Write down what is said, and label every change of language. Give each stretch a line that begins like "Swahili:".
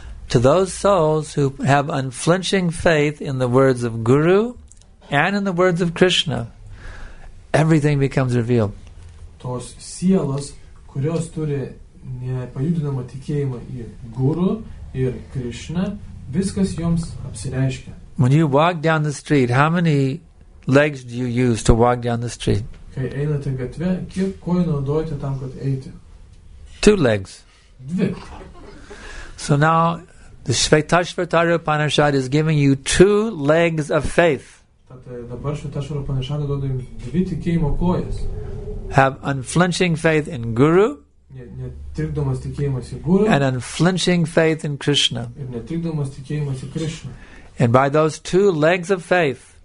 English: To those souls who have unflinching faith in the words of Guru and in the words of Krishna, everything becomes revealed.
Lithuanian: tos sielos, kurios turi nepajudinamą tikėjimą į guru ir Krishna, viskas joms apsireiškia.
English: When you walk down the street, how many legs do you use to walk down the street?
Lithuanian: Kai einate gatve, kiek kojų naudojate tam, kad eiti?
English: Two legs.
Lithuanian: Dvi.
English: So now the Shvetashvatara Upanishad is giving you two legs of faith.
Lithuanian: Dabar Shvetashvatara Upanishad duoda jums dvi tikėjimo kojas.
English: Have unflinching faith in Guru.
Lithuanian: Netrikdomas tikėjimas į Guru.
English: And unflinching faith in Krishna.
Lithuanian: Ir netrikdomas tikėjimas į Krishna.
English: And by those two legs of faith,